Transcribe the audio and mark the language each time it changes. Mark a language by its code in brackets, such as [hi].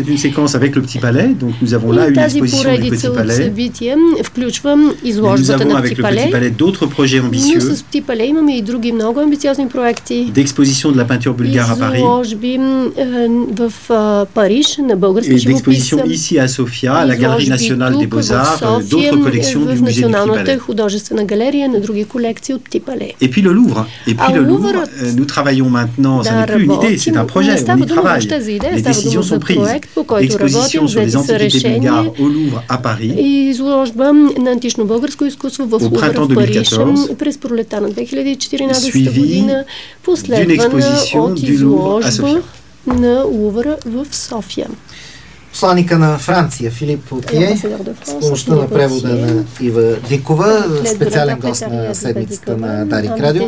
[bg] И тази поредица от събития включва изложбата на Petit Palais. Ние с Petit Palais имаме и други много амбициозни проекти. Изложби в Париж на българска живописа. [fr] Ici à Sofia, à la Galerie nationale des Beaux-Arts, d'autres collections du Musée du Petit Palais. [bg] Художествена галерия на други колекции от Petit Palais. [fr] Et puis le Louvre. Et puis le Louvre, nous travaillons maintenant, ça n'est plus une idée, c'est un projet, on y travaille. Les décisions sont prises. Exposition sur les antiquités bulgares au Louvre à Paris. [bg] И изложба на антично българско изкуство в Лувъра в Париж през пролетта на 2014 година, последвана от изложба на Лувъра в София. Посланика на Франция, Филип Потие, с помощта на превода на Ива Дикова, специален гост на седмицата на Дарик Радио.